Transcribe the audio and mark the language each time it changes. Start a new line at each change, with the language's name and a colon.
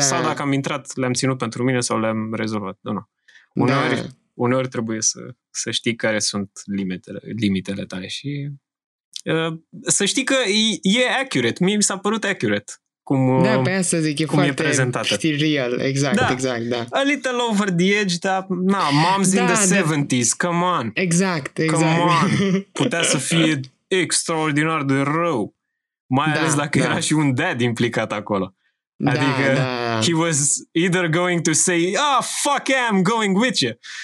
Romanian: Sau dacă am intrat, le-am ținut pentru mine sau le-am rezolvat. Nu. Uneori trebuie să știi care sunt limitele tale și să știi că e accurate. Mie mi s-a părut accurate cum, da, pe asta zic, cum e prezentată. Da, pe asta zic, real, exact,
English: A little over the edge,
Romanian: dar, na,
English: moms in the 70s, come on.
Romanian: Exact.
English: Come on,
Romanian: putea să fie extraordinar de rău, mai ales dacă era și un dad implicat acolo. Adică
English: he was either going to say, "Oh, fuck yeah, I'm going with you."